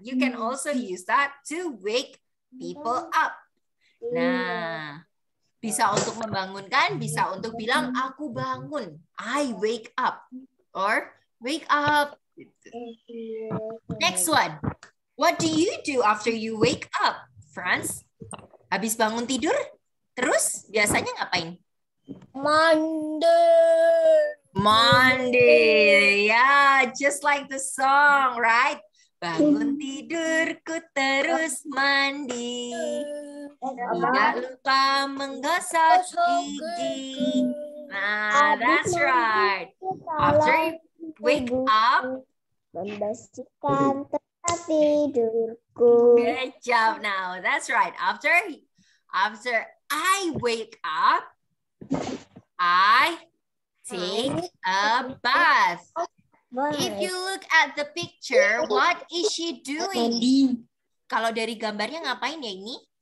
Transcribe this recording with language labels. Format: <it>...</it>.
<en>You can also use that to wake people up.</en> <id>Nah, bisa untuk membangunkan, bisa untuk bilang aku bangun,</id> <en>I wake up, or wake up. Next one, what do you do after you wake up, Franz?</en> <id>Habis bangun tidur, terus biasanya ngapain? Mandi.</id> <en>Yeah, just like the song, right?</en> <id>Bangun tidurku terus mandi. Tidak lupa menggosok gigi.</id> <en>Nah, that's right. After you wake up,</en> <id>membersihkan tempat tidurku.</id> <en>Good job. Now that's right. After I wake up, I take a bath. If you look at the picture, what is she doing?</en> <id>Mandi. Kalau dari gambarnya ngapain ya ini?</id>